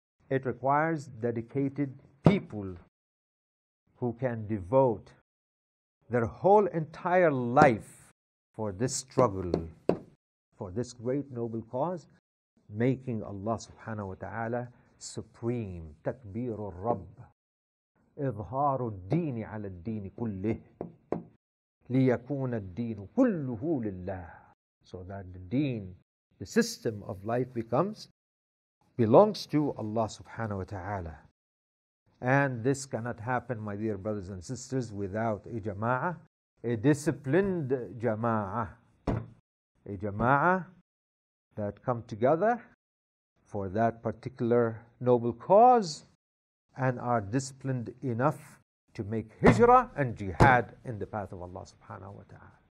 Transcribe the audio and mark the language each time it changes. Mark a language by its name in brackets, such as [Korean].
[English] It requires dedicated people who can devote their whole entire life for this struggle, for this great noble cause, making Allah subhanahu wa ta'ala supreme. [Arabic] تكبير الرب إظهار الدين على الدين كله ليكون الدين كله لله. [English] So that the deen, the system of life becomes, belongs to Allah subhanahu wa ta'ala. And this cannot happen, my dear brothers and sisters, without a jama'ah, a disciplined jama'ah. A jama'ah that come together for that particular noble cause and are disciplined enough to make hijrah and jihad in the path of Allah subhanahu wa ta'ala.